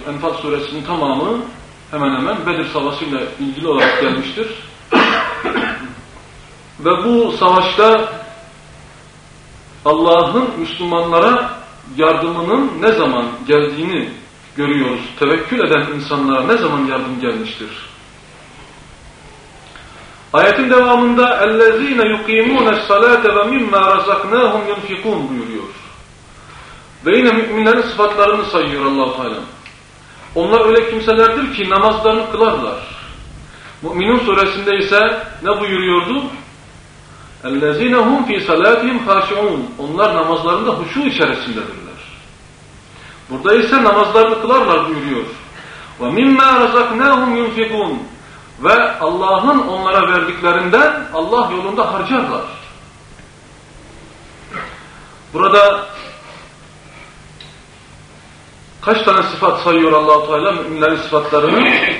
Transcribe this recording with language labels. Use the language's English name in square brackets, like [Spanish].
[Turkish] Enfal suresinin tamamı hemen hemen Bedir Savaşı ile ilgili olarak gelmiştir. Ve bu savaşta Allah'ın Müslümanlara yardımının ne zaman geldiğini görüyoruz. Tevekkül eden insanlara ne zaman yardım gelmiştir? Ayetin devamında [Arabic] اَلَّذ۪ينَ يُقِيمُونَ السَّلَاةَ وَمِمَّا رَزَقْنَاهُمْ يُنْفِقُونَ [Turkish] buyuruyor. Ve yine müminlerin sıfatlarını sayıyor Allah-u Teala. Onlar öyle kimselerdir ki namazlarını kılarlar. Mü'minun suresinde ise ne buyuruyordu? [Arabic] اَلَّذ۪ينَ هُمْ ف۪ي صَلَاتِهِمْ خَاشِعُونَ [Turkish] Onlar namazlarında huşu içerisindedirler. Burada ise namazlarını kılarlar buyuruyor. [Arabic] وَمِمَّا رَزَقْنَاهُمْ يُنْفِقُونَ [Turkish] Ve Allah'ın onlara verdiklerinden Allah yolunda harcarlar. Burada kaç tane sıfat sayıyor Allah-u Teala müminlerin sıfatlarını?